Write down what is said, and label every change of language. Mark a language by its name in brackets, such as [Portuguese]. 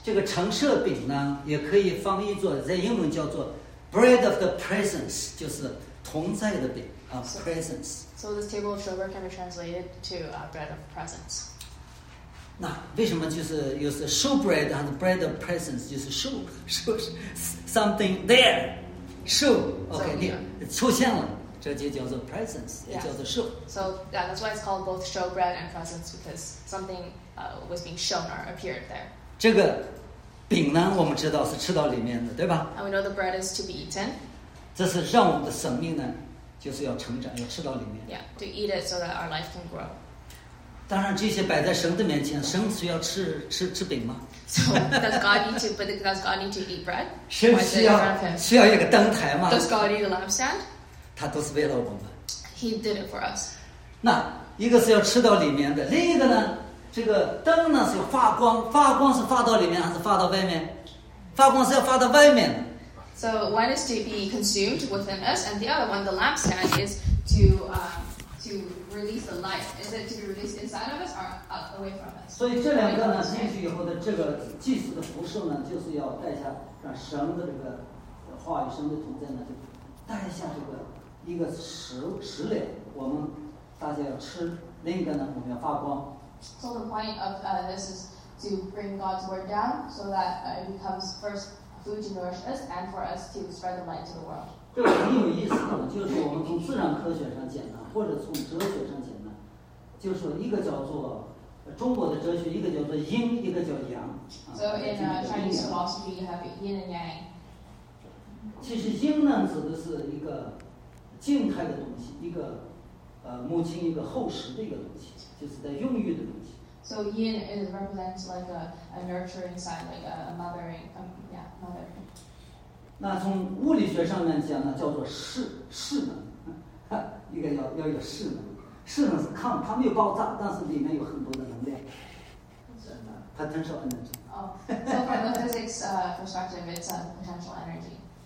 [Chinese] 这个橙色饼呢，也可以翻译作在英文叫做 [English] bread of the presence， [Chinese] 就是同在的饼。 [English] So this table of showbread can be translated to bread of presence. [Chinese] 那为什么就是又是 [English] showbread and bread of presence [Chinese] 就是 [English] show show something there, show okay so, yeah. [Chinese] 出现了，这就叫做 presence， 也叫做 show. [English] So yeah, that's why it's called both showbread and presence because something was being shown or appeared there. [Chinese] 这个饼呢，我们知道是吃到里面的，对吧？ [English] And we know the bread is to be eaten. [Chinese] 这是让我们的生命呢。就是要成长，要吃到里面。 [English] Yeah, to eat it so that our life can grow. [Chinese] 当然，这些摆在神的面前，神需要吃饼吗 [English] ？So does God need to? But does God need to eat bread? [Chinese] 神需要一个灯台吗 [English] ？Does God need a lampstand? [Chinese] 他都是为了我们。 [English] He did it for us. [Chinese] 那一个是要吃到里面的，另一个呢？这个灯呢是要发光，发光是发到里面还是发到外面？发光是要发到外面的。 [English] So one is to be consumed within us, and the other one, the lampstand, is to release the light. Is it to be released inside of us or away from us? [Chinese] 所以这两个呢，进去以后的这个祭司的服饰呢，就是要带下让神的这个话语、神的同在呢，就带下这个一个食粮，我们大家要吃；另一个呢，我们要发光。 [English] So the point of this is to bring God's word down, so that it becomes first. To nourish us and for us to spread the light to the world. [Chinese] 这个很有意思的，就是我们从自然科学上讲呢，或者从哲学上讲呢，就是一个叫做中国的哲学，一个叫做阴，一个叫阳。 [English] So in Chinese philosophy, you have yin and yang. [Chinese] 其实阴呢，指的是一个静态的东西，一个母亲，一个厚实的一个东西，就是在孕育的东西。 [English] So yin it represents like a nurturing side, like a mothering, mothering. [Chinese] 那从物理学上面讲呢，叫做势能，应该要有势能。势能是抗，它没有爆炸，但是里面有很多的能量。 [English] Potential energy. Oh, so from the physics perspective, it's a potential energy.